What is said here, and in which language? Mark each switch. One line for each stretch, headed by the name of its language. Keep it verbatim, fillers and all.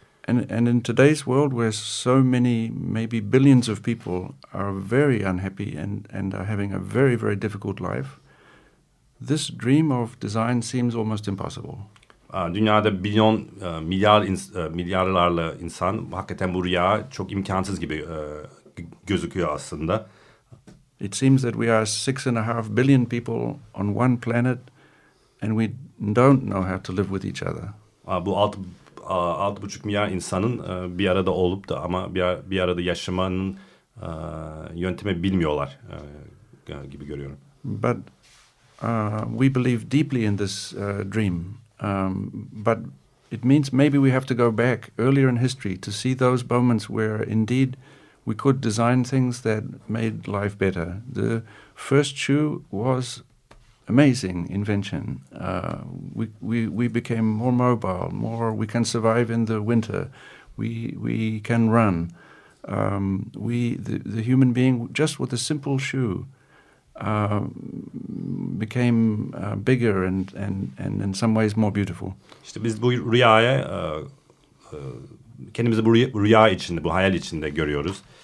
English: And and in today's world where so many, maybe billions of people are very unhappy and and are having a very very difficult life, this dream of design seems almost impossible.
Turkish: Dünyada milyon milyar milyarlarla insan, hakikaten bu rüya çok imkansız gibi gözüküyor aslında.
English: It seems that we are six and a half billion people on one planet and we don't know how to live with each other.
Turkish: Bu altı altı buçuk milyar insanın bir arada olup da ama bir arada yaşamanın yöntemi bilmiyorlar gibi görüyorum.
English: But uh, we believe deeply in this uh, dream, um, but it means maybe we have to go back earlier in history to see those moments where indeed we could design things that made life better. The first shoe was amazing invention. Uh, we, we we became more mobile, more. We can survive in the winter. We we can run. Um, we the, the human being just with a simple shoe uh, became uh, bigger and, and, and in some ways more beautiful.
Turkish: İşte biz bu rüyayı kendimizi bu rüya içinde, bu hayal içinde görüyoruz.